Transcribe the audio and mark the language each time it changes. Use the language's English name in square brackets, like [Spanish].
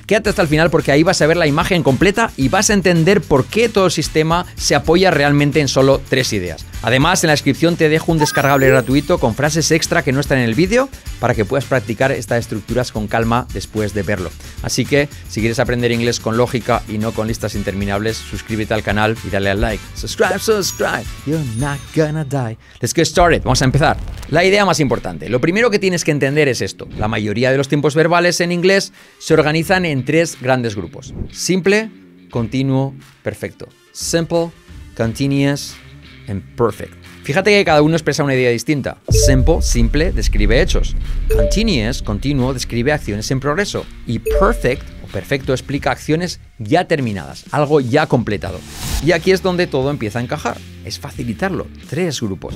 [Spanish] Quédate hasta el final porque ahí vas a ver la imagen completa y vas a entender por qué todo el sistema se apoya realmente en solo tres ideas. Además, en la descripción te dejo un descargable gratuito con frases extra que no están en el vídeo para que puedas practicar estas estructuras con calma después de verlo. Así que, si quieres aprender inglés con lógica y no con listas interminables, suscríbete al canal y dale al like. [English] Subscribe, subscribe, you're not gonna die. Let's get started, [Spanish] vamos a empezar. La idea más importante. Lo primero que tienes que entender es esto. La mayoría de los tiempos verbales en inglés se organizan en tres grandes grupos. Simple, continuo, perfecto. [English] Simple, continuous, and perfect. [Spanish] Fíjate que cada uno expresa una idea distinta. Simple, simple, describe hechos. Continuous, continuo, describe acciones en progreso. Y perfect, o perfecto, explica acciones ya terminadas, algo ya completado. Y aquí es donde todo empieza a encajar. Es facilitarlo. Tres grupos.